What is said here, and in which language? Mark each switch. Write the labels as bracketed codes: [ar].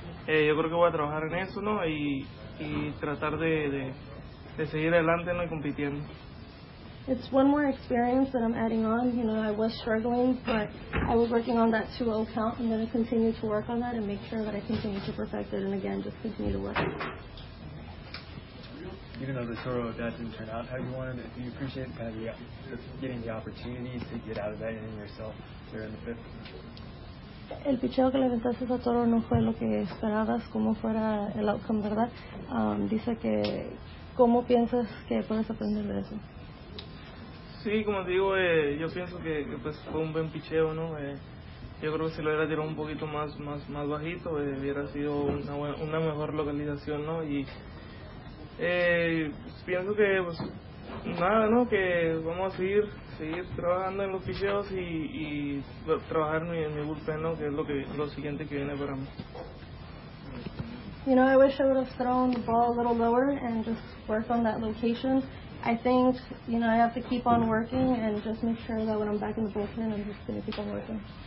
[es] Yo creo que voy a trabajar en eso, ¿no?, y tratar de seguir adelante, ¿no?, y compitiendo. [en] It's one more experience that I'm adding on. You know, I was struggling, but I was working on that 2-0 count. I'm going to continue to work on that and make sure that I continue to perfect it, and again, just continue to work. Even though the Toro at bat didn't turn out how you wanted, do you appreciate kind of getting the opportunities to get out of that inning yourself there in the fifth? [es] El picheo que le aventaste a Toro no fue lo que esperabas, como fuera el outcome, ¿verdad? Dice que, ¿cómo piensas que puedes aprender de eso? Sí, como digo, yo pienso que pues fue un buen picheo, ¿no? Yo creo que si lo hubiera tirado un poquito más bajito, hubiera sido una mejor localización, ¿no? Y pues, pienso que, pues, nada, ¿no?, que vamos a seguir trabajando en los picheos y trabajar mi bullpen, ¿no?, que es lo siguiente que viene para mí. [en] You know, I wish I would have thrown the ball a little lower and just worked on that location. I think, you know, I have to keep on working and just make sure that when I'm back in the bullpen, I'm just going to keep on working.